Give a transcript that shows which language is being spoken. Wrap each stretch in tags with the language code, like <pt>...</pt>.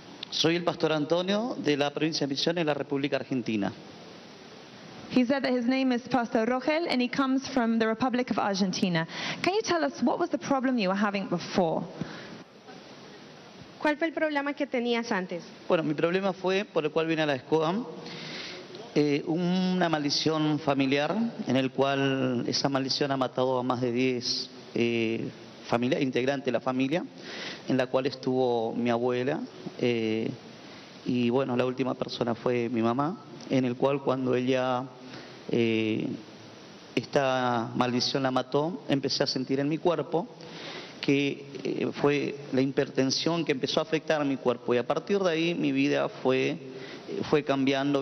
<es>Soy el pastor Antonio de la provincia de Misiones en la República Argentina.</es> <en>He said that his name is Pastor Rogel and he comes from the Republic of Argentina. Can you tell us what was the problem you were having before?</en> <es>¿Cuál fue el problema que tenías antes? Bueno, mi problema fue por el cual vine a la SCOAN, una maldición familiar en el cual esa maldición ha matado a más de 10 familia, integrante de la familia, en la cual estuvo mi abuela, y bueno, la última persona fue mi mamá, en el cual cuando ella, esta maldición la mató, empecé a sentir en mi cuerpo que fue la hipertensión que empezó a afectar a mi cuerpo, y a partir de ahí mi vida fue cambiando.</es>